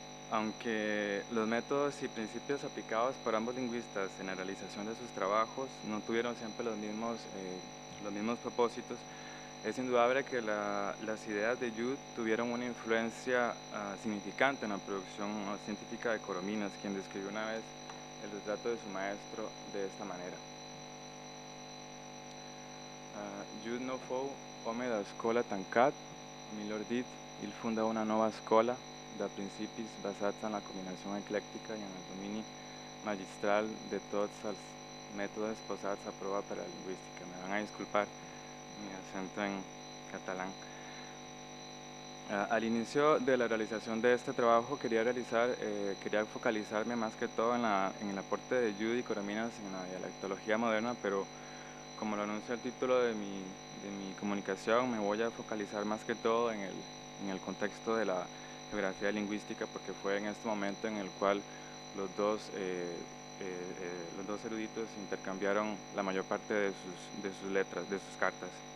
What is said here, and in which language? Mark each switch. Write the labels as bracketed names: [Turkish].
[Spanish] Aunque los métodos y principios aplicados por ambos lingüistas en la realización de sus trabajos no tuvieron siempre los mismos propósitos, es indudable que las ideas de Jude tuvieron una influencia significante en la producción científica de Corominas, quien describió una vez el retrato de su maestro de esta manera. [Catalan] Jude no fou home da escola tancat, millor dit, il funda una nova escola de principis basats en la combinació eclèctica i en el domini magistral de tots els mètodes posats a prova per a la lingüística. [Spanish] Me van a disculpar mi acento en catalán. Al inicio de la realización de este trabajo quería focalizarme más que todo en el aporte de Jude y Corominas en la dialectología moderna, pero como lo anuncia el título de mi comunicación, me voy a focalizar más que todo en el contexto de la geografía lingüística, porque fue en este momento en el cual los dos eruditos intercambiaron la mayor parte de sus cartas.